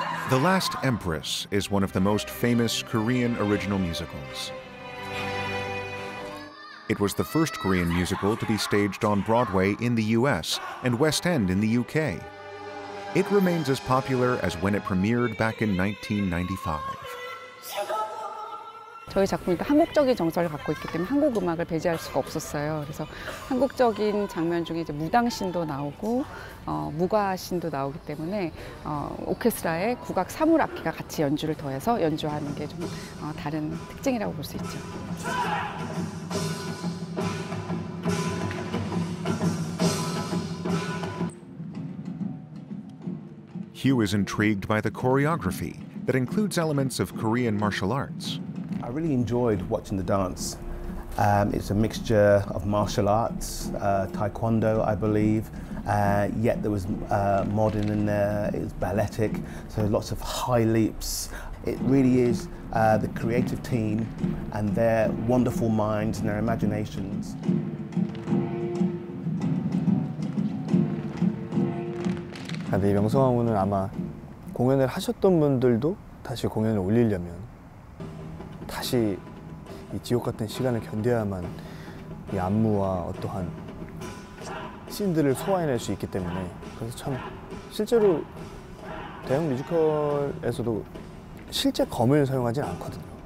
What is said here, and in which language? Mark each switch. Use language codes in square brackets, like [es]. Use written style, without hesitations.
[en] The Last Empress is one of the most famous Korean original musicals. It was the first Korean musical to be staged on Broadway in the US and West End in the UK. It remains as popular as when it premiered back in 1995. [ko] 저희 작품이 한국적인 정서를 갖고 있기 때문에 한국 음악을 배제할 수가 없었어요. 그래서 한국적인 장면 중에 이제 무당신도 나오고 무과신도 나오기 때문에 오케스트라의 국악 사물 악기가 같이 연주를 더해서 연주하는 게 좀 다른 특징이라고 볼 수 있죠. [en] Hugh is intrigued by the choreography that includes elements of Korean martial arts. I really enjoyed watching the dance. It's a mixture of martial arts, taekwondo, I believe, yet there was modern in there, it was balletic, so lots of high leaps. It really is the creative team and their wonderful minds and their imaginations. But this [ko] 명성황후는 아마 공연을 하셨던 분들도 다시 공연을 올리려면 다시 이 지옥 같은 시간을 견뎌야만 이 안무와 어떠한 씬들을 소화해낼 수 있기 때문에 그래서 참 실제로 대형 뮤지컬에서도 실제 검을 사용하진 않거든요.